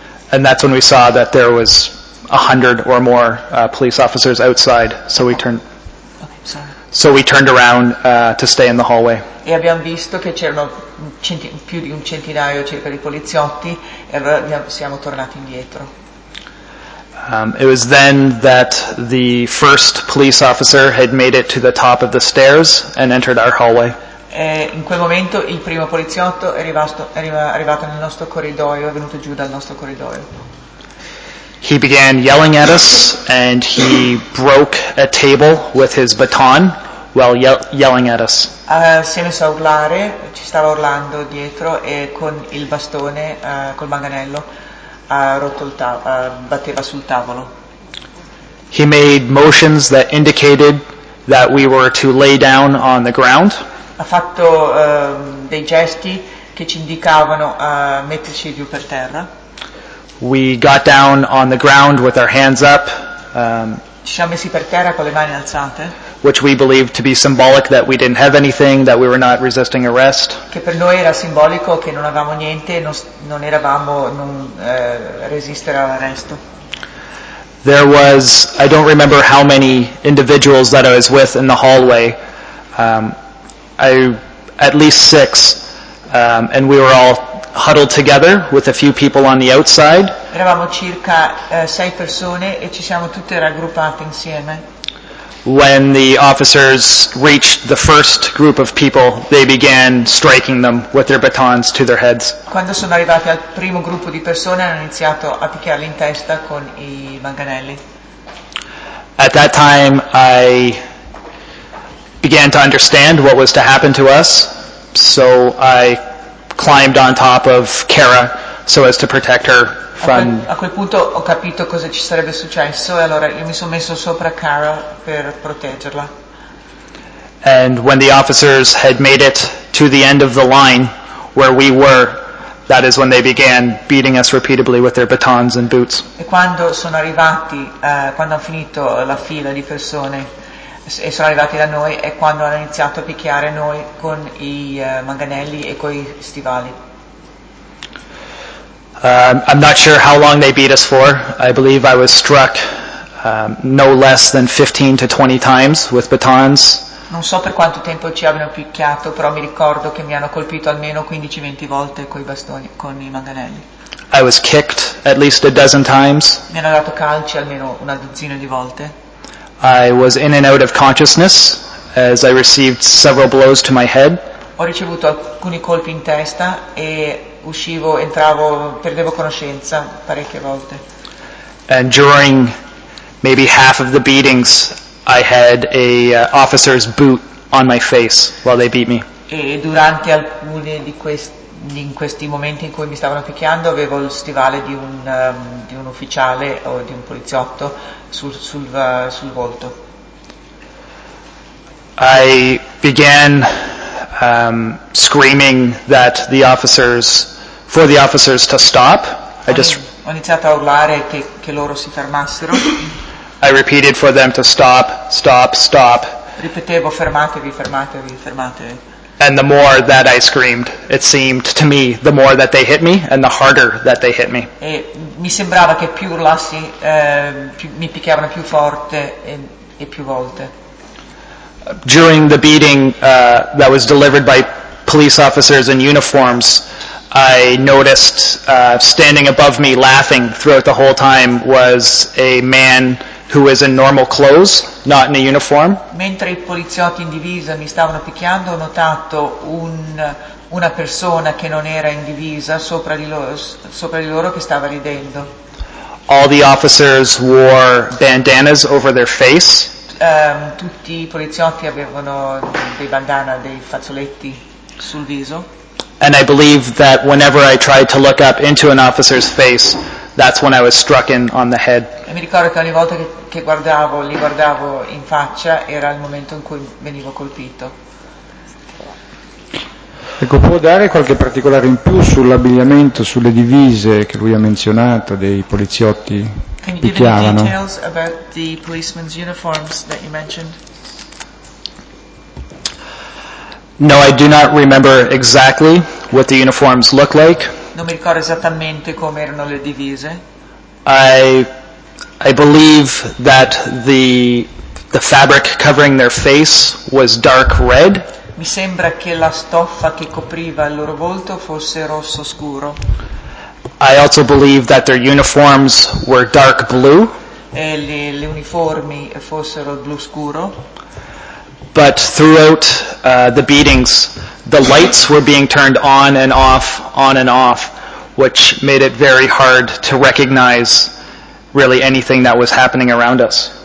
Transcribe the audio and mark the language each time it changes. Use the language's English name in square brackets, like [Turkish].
[English] And that's when we saw that there was 100 or more police officers outside. So we turned. Okay, so we turned around to stay in the hallway. [Italian] E abbiamo visto che c'erano più di un centinaio circa di poliziotti e siamo tornati indietro. [English] It was then that the first police officer had made it to the top of the stairs and entered our hallway. [Italian] In quel momento il primo poliziotto è arrivato nel nostro corridoio, è venuto giù dal nostro corridoio. [English] He began yelling at us and he broke a table with his baton while yelling at us. [Italian] Si è messo a urlare, ci stava urlando dietro e con il bastone, col manganello, ha rotto il batteva sul tavolo. [English] He made motions that indicated that we were to lay down on the ground. [Italian] Ha fatto dei gesti che ci indicavano a metterci giù per terra. [English] We got down on the ground with our hands up. [Italian] Ci siamo messi per terra con le mani alzate. [English] Which we believed to be symbolic that we didn't have anything, that we were not resisting arrest. [Italian] Che per noi era simbolico che non avevamo niente, non eravamo resistere all'arresto. [English] There was, I don't remember how many individuals that I was with in the hallway. At least six, and we were all huddled together with a few people on the outside. [Italian] Eravamo circa sei persone e ci siamo tutte raggruppate insieme. [English] When the officers reached the first group of people, they began striking them with their batons to their heads. [Italian] Quando sono arrivati al primo gruppo di persone hanno iniziato a picchiarli in testa con i manganelli. [English] At that time, I began to understand what was to happen to us, so I climbed on top of Kara so as to protect her from. [Italian] A quel punto ho capito cosa ci sarebbe successo e allora io mi sono messo sopra Kara per proteggerla. [English] And when the officers had made it to the end of the line where we were, that is when they began beating us repeatedly with their batons and boots. [Italian] E quando sono arrivati, quando hanno finito la fila di persone e sono arrivati da noi e quando hanno iniziato a picchiare noi con i manganelli e coi stivali. [English] I'm not sure how long they beat us for. I believe I was struck no less than 15 to 20 times with batons. [Italian] Non so per quanto tempo ci abbiano picchiato, però mi ricordo che mi hanno colpito almeno 15-20 volte coi bastoni, con i manganelli. [English] I was kicked at least a dozen times. [Italian] Mi hanno dato calci almeno una dozzina di volte. [English] I was in and out of consciousness as I received several blows to my head. [Italian] Ho ricevuto alcuni colpi in testa e uscivo, entravo, perdevo conoscenza parecchie volte. [English] And during maybe half of the beatings, I had a officer's boot on my face while they beat me. [Italian] e durante alcuni di questi, in questi momenti in cui mi stavano picchiando, avevo lo stivale di un ufficiale o di un poliziotto sul volto. [English] I began screaming that the officers, for the officers to stop. [Italian] Ho iniziato a urlare che loro si fermassero. [English] I repeated for them to stop, stop, stop. [Italian] Ripetevo, fermatevi, fermatevi, fermatevi. [English] And the more that I screamed, it seemed to me, the more that they hit me, and the harder that they hit me. [Italian] E mi sembrava che più urlassi, mi picchiavano più forte e più volte. [English] During the beating that was delivered by police officers in uniforms, I noticed standing above me laughing throughout the whole time was a man who was in normal clothes, not in a uniform. [Italian] Mentre i poliziotti in divisa mi stavano picchiando, ho notato una persona che non era in divisa sopra di loro che stava ridendo. [English] All the officers wore bandanas over their face. [Italian] Tutti i poliziotti avevano dei bandana, dei fazzoletti sul viso. [English] And I believe that whenever I tried to look up into an officer's face, that's when I was struck in on the head. [Italian] E mi ricordo che ogni volta che guardavo, li guardavo in faccia, era il momento in cui venivo colpito. Ecco, può dare qualche particolare in più sull'abbigliamento, sulle divise che lui ha menzionato dei poliziotti che picchiavano? [English] Can you give any details about the policemen's uniforms that you mentioned? No, I do not remember exactly what the uniforms look like. [Italian] Non mi ricordo esattamente come erano le divise. [English] I believe that the fabric covering their face was dark red. [Italian] Mi sembra che la stoffa che copriva il loro volto fosse rosso scuro. [English] I also believe that their uniforms were dark blue. [Italian] E le uniformi fossero blu scuro. [English] But throughout the beatings, the lights were being turned on and off, which made it very hard to recognize really anything that was happening around us.